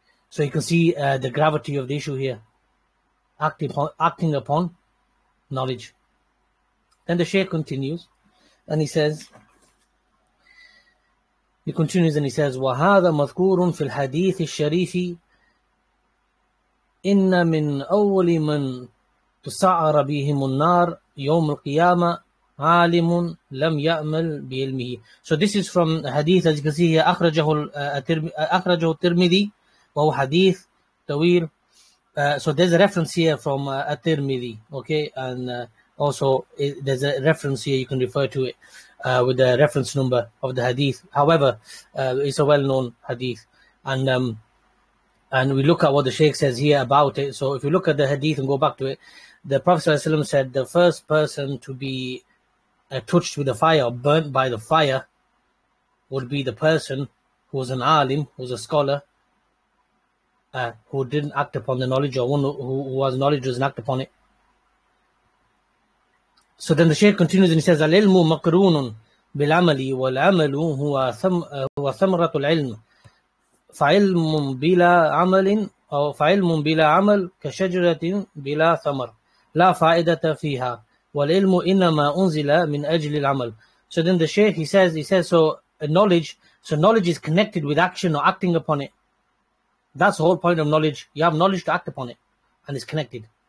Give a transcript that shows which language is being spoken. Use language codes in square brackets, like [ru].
[en] So you can see the gravity of the issue here. Acting upon knowledge. Then the Shaykh continues and he says, he continues and he says, [ar] وَهَذَا مَذْكُورٌ فِي الْحَدِيثِ الشَّرِيفِ إِنَّ مِنْ أَوَّلِ مَنْ تسعر بهم النار يوم القيامة عالم لم يأمل بعلمه. [en] So this is from a hadith, as you can see here, [ar] أخرجه الترمذي, وهو حديث طويل. [en] So there's a reference here from الترمذي, okay, and also there's a reference here, you can refer to it with the reference number of the hadith. However, it's a well-known hadith, and we look at what the Shaykh says here about it. So if you look at the hadith and go back to it, the Prophet ﷺ said the first person to be touched with the fire, burnt by the fire, would be the person who was an alim, who was a scholar, who didn't act upon the knowledge, or one who has knowledge doesn't act upon it. So then the Shaykh continues and he says, [ar] "العلم مقرون بالعمل والعمل هو ثمرة العلم فعلم بلا عمل أو فعلم بلا عمل كشجرة بلا ثمر لا فائدة فيها والعلم إنما أنزل من أجل العمل." [en] So then the Shaykh he says so knowledge is connected with action or acting upon it. That's the whole point of knowledge. You have knowledge to act upon it, and it's connected.